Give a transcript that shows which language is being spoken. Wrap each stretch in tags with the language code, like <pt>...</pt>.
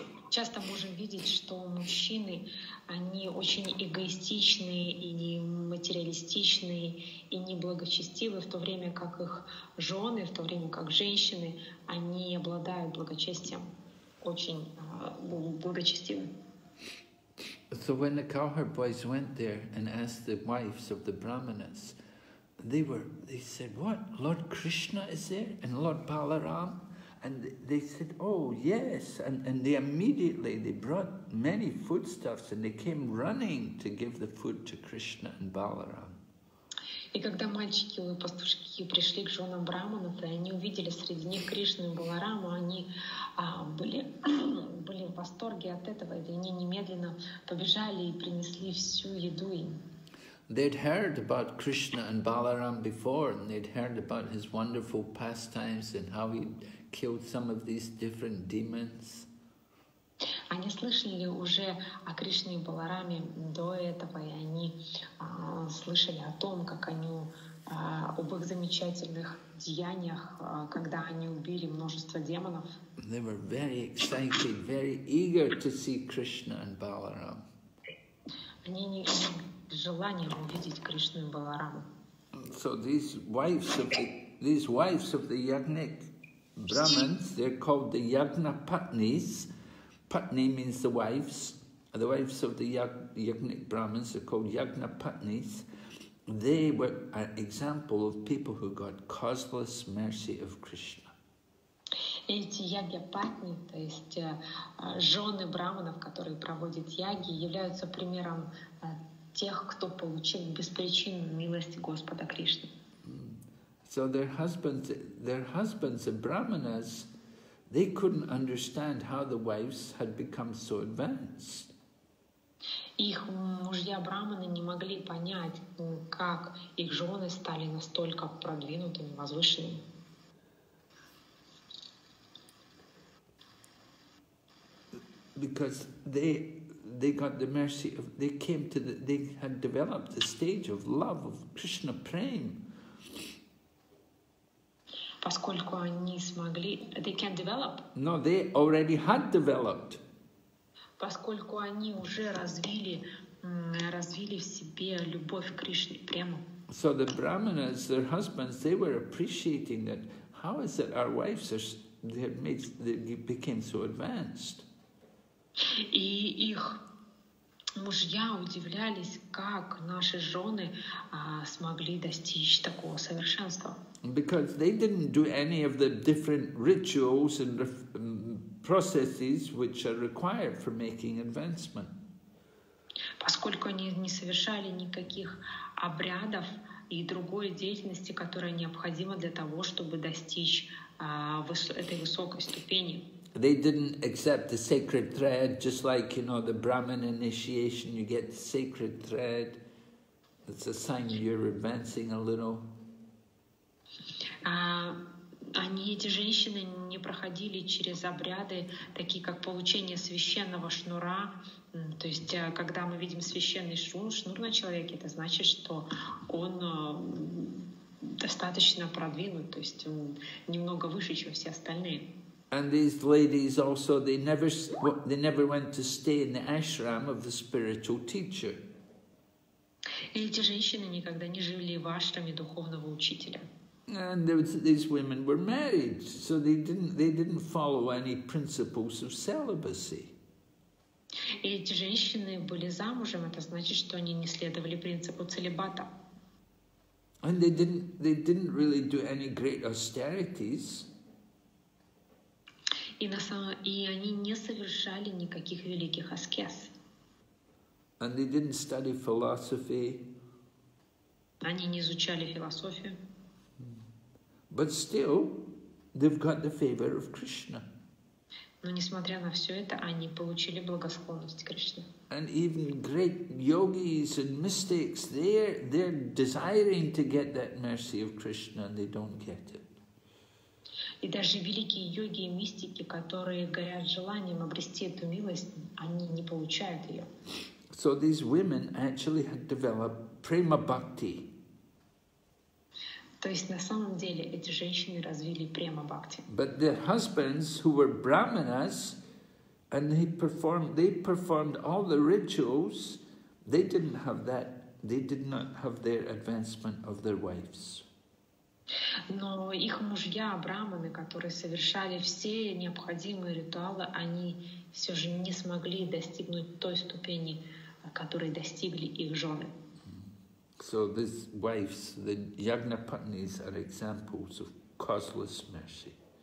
<ru>Часто можем видеть, что мужчины, они очень эгоистичные и материалистичные и неблагочестивы, в то время как их жены, в то время как женщины, они обладают благочестием, очень благочестивы.</ru> <en>So when the cowherd boys went there and asked the wives of the brahmanas, they said, what, Lord Krishna is there and Lord Balaram? And they said, oh, yes. And they immediately, they brought many foodstuffs and they came running to give the food to Krishna and Balaram.</en> <ru>И когда мальчики и пастушки пришли к женам брахманов, и они увидели среди них Кришну и Балараму, они были в восторге от этого, и они немедленно побежали и принесли всю еду им.</ru> <en>They'd heard about Krishna and Balaram before, and they'd heard about his wonderful pastimes and how he killed some of these different demons.</en> <ru>Они слышали уже о Кришне и Балараме до этого, и они слышали о том, как они об их замечательных деяниях, когда они убили множество демонов.</ru> <en>They were very excited, very eager to see Krishna and Balaram.</en> <ru>Они не желанием увидеть Кришну и Балараму.</ru> <en>So these wives of the yagnik Brahmins, they're called the Yajna Patnis. Patni means the wives. The wives of the Yajnik Brahmins are called Yajna Patnis. They were an example of people who got causeless mercy of Krishna.</en> <ru>Эти Yajna Patni, то есть жены брахманов, которые проводят яги, являются примером тех, кто получил беспричинную милость Господа Кришны.</ru> <en>So their husbands, the brahmanas, they couldn't understand how the wives had become so advanced.</en> <ru>Их мужья брахманы не могли понять, как их жены стали настолько продвинутыми, возвышенными.</ru> <en>Because they got the mercy of, they came to the, they had developed the stage of love of Krishna prem.</en> <ru>Поскольку они смогли,</ru> <en>they can develop. No, they already had developed.</en> <ru>Поскольку они уже развили в себе любовь к Кришне прямо.</ru> <en>So the brahmanas, their husbands, they were appreciating that. How is it our wives are, they became so advanced?</en> <ru>И их мужья удивлялись, как наши жены смогли достичь такого совершенства.</ru> <en>Because they didn't do any of the different rituals and processes which are required for making advancement.</en> <ru>Поскольку они не совершали никаких обрядов и другой деятельности, которая необходима для того, чтобы достичь этой высокой ступени.</ru> <en>They didn't accept the sacred thread, just like, you know, the Brahmin initiation, you get the sacred thread. It's a sign you're advancing a little.</en> <ru>Они, эти женщины, не проходили через обряды, такие как получение священного шнура. То есть, когда мы видим священный шнур на человеке, это значит, что он достаточно продвинут, то есть он немного выше, чем все остальные.</ru> <en>And these ladies also, they never went to stay in the ashram of the spiritual teacher.</en> <ru>И эти женщины никогда не жили в ашраме духовного учителя.</ru> <en>And these women were married, so they didn't follow any principles of celibacy.</en> <ru>И эти женщины были замужем, это значит, что они не следовали принципу целибата.</ru> <en>And they didn't really do any great austerities.</en> <ru>И они не совершали никаких великих аскез.</ru> <en>And they didn't study philosophy.</en> <ru>Они не изучали философию.</ru> <en>But still, they've got the favor of Krishna.</en> <ru>Но несмотря на все это, они получили благосклонность Кришны.</ru> <en>And even great yogis and mystics, they're desiring to get that mercy of Krishna, and they don't get it.</en> <ru>И даже великие йоги и мистики, которые горят желанием обрести эту милость, они не получают ее.</ru> <en>So these women actually had developed prema bhakti.</en> <ru>То есть на самом деле эти женщины развили према бхакти.</ru> <en>But their husbands, who were brahmanas, and they performed all the rituals, they did not have their advancement of their wives.</en> <ru>Но их мужья, брахманы, которые совершали все необходимые ритуалы, они все же не смогли достигнуть той ступени, которой достигли их жены.</ru> <en>So these wives, the Yajnapatnis, are examples of causeless mercy.</en>